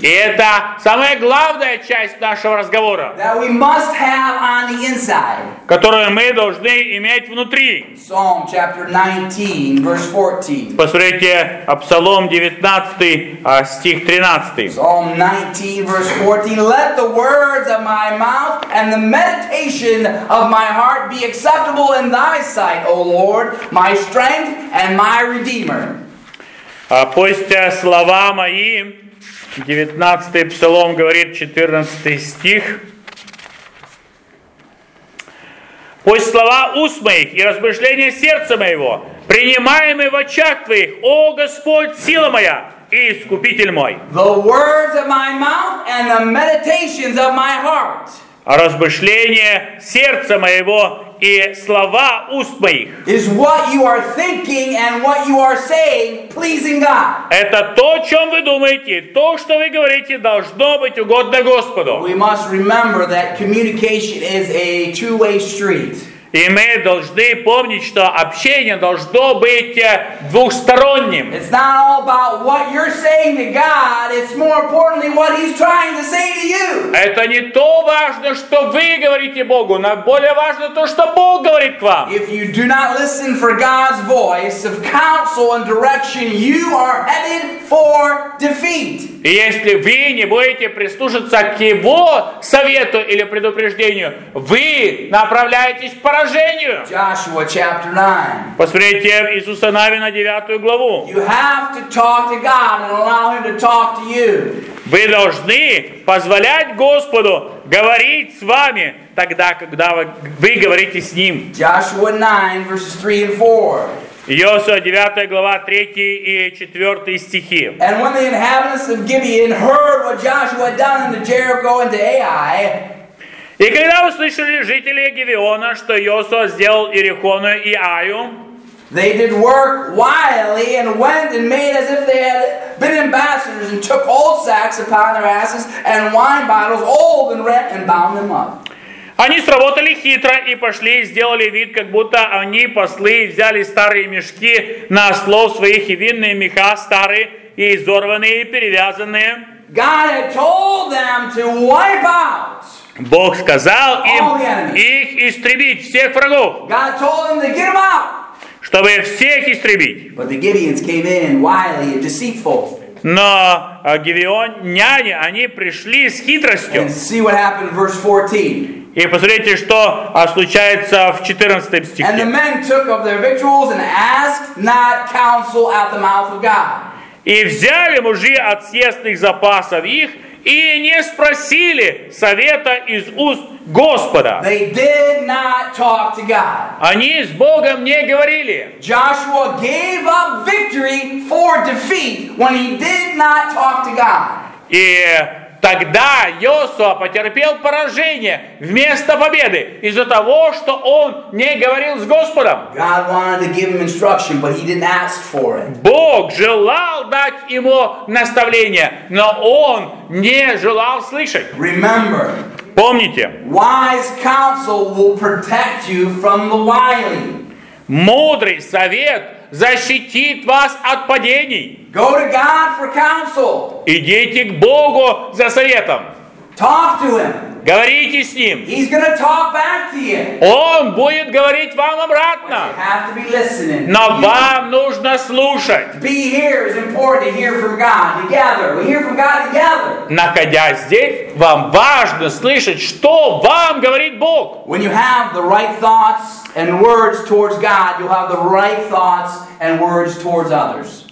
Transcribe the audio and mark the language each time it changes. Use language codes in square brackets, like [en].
[ru] И это самая главная часть нашего разговора, [en] that we must have on the inside. [ru] Которую мы должны иметь внутри. [en] Psalm chapter 19, verse 14. [ru] Посмотрите, Псалом 19, стих 13. [en] Psalm 19, verse 14. Let the words of my mouth and the meditation of my heart be acceptable in thy sight, O Lord, my strength and my redeemer. [ru] Пусть слова мои, 19 Псалом говорит, 14 стих. Пусть слова уст моих и размышления сердца моего, принимаемые в очах твоих, о Господь, сила моя и искупитель мой. [en] The words of my mouth and the meditations of my heart. [ru] Размышления сердца моего и слова уст моих. [en] Is what you are thinking and what you are saying pleasing God. [ru] Это то, о чем вы думаете, то, что вы говорите, должно быть угодно Господу. [en] We must remember that communication is a two-way street. [ru] И мы должны помнить, что общение должно быть двухсторонним. [en] It's not all about what you're saying to God, it's more importantly what He's trying to say to you. [ru] Это не то важно, что вы говорите Богу, но более важно то, что Бог говорит к вам. [en] If you do not listen for God's voice of counsel and direction, you are headed for defeat. [ru] И если вы не будете прислушаться к Его совету или предупреждению, вы направляетесь к поражению. [en] Joshua chapter 9. [ru] Посмотрите в Иисуса Навина 9 главу. [en] You have to talk to God and allow Him to talk to you. [ru] Вы должны позволять Господу говорить с вами тогда, когда вы говорите с Ним. [en] Joshua 9, verses 3 and 4. [ru] Иосуа 9 глава 3 и 4 стихи. [en] And when the inhabitants of Gibeon heard what Joshua had done in the Jericho and the Ai, [ru] и когда услышали жители Гибеона, что Иосуа сделал Иерихону и Аю, [en] they did work wildly and went and made as if they had been ambassadors and took old sacks upon their asses and wine bottles old and rent and bound them up. [ru] Они сработали хитро и пошли, сделали вид, как будто они послы, взяли старые мешки на ослов своих и винные меха, старые и изорванные, и перевязанные. [en] God had told them to wipe out. [ru] Бог сказал им их истребить, всех врагов. [en] God told them to get them out. [ru] Чтобы всех истребить. [en] But the Gibeons came in wily and deceitful. [ru] Но гивеоняне, они пришли с хитростью. [en] And see what happened in verse 14. [ru] И посмотрите, что случается в 14 стихе. [en] And the men took of their victuals and asked not counsel at the mouth of God. [ru] И взяли мужи от съестных запасов их и не спросили совета из уст Господа. [en] They did not talk to God. [ru] Они с Богом не говорили. [en] Joshua gave up victory for defeat when he did not talk to God. [ru] И тогда Йосуа потерпел поражение вместо победы из-за того, что он не говорил с Господом. [en] God wanted to give him instruction, but he didn't ask for it. [ru] Бог желал дать ему наставление, но он не желал слышать. [en] Remember, [ru] помните, [en] wise counsel will protect you from the wily. [ru] Мудрый совет защитит вас от падений. [en] Go to God for counsel. [ru] Идите к Богу за советом. [en] Talk to him. [ru] Говорите с ним. [en] He's gonna talk back to you. [ru] Он будет говорить вам обратно. [en] But you have to be listening. [ru] Но вам нужно слушать. [en] Be here is important to hear from God together. We hear from God together. [ru] Находясь здесь, вам важно слышать, что вам говорит Бог. [en] When you have the right thoughts and words towards God, you'll have the right thoughts and words towards others.